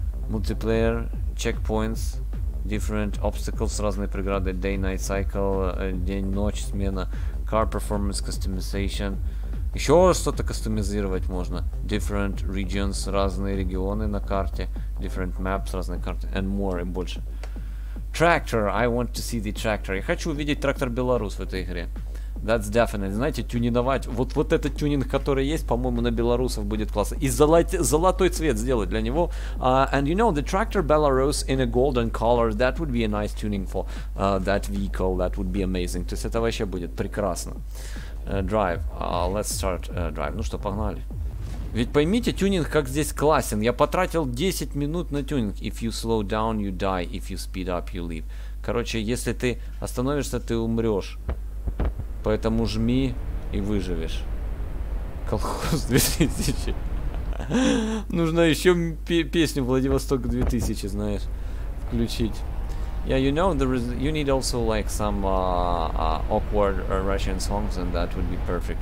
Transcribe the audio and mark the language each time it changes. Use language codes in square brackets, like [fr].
[en] Multiplayer. Checkpoints. Different obstacles, [ru] разные преграды, [en] day-night cycle, [ru] день-ночь смена, [en] car performance customization, [ru] еще что-то кастомизировать можно, [en] different regions, [ru] разные регионы на карте, [en] different maps, [ru] разные карты, [en] and more, [ru] и больше. [en] Tractor, I want to see the tractor, [ru] я хочу увидеть трактор Беларусь в этой игре. [en] That's definite. [ru] Знаете, тюниновать, вот этот тюнинг, который есть, по-моему, на белорусов будет классно. И золотой цвет сделать для него. [en] And you know, the tractor Belarus in a golden color, that would be a nice tuning for that vehicle, that would be amazing. [ru] То есть это вообще будет прекрасно. [en] Drive, let's start drive. [ru] Ну что, погнали. Ведь поймите, тюнинг как здесь классен. Я потратил 10 минут на тюнинг. [en] If you slow down, you die. If you speed up, you live. [ru] Короче, если ты остановишься, ты умрешь. Поэтому жми и выживешь. Колхоз 2000. Нужно еще песню Владивосток 2000, знаешь, включить. [en] Yeah, you know, there is, you need also like some awkward Russian songs, and that would be perfect.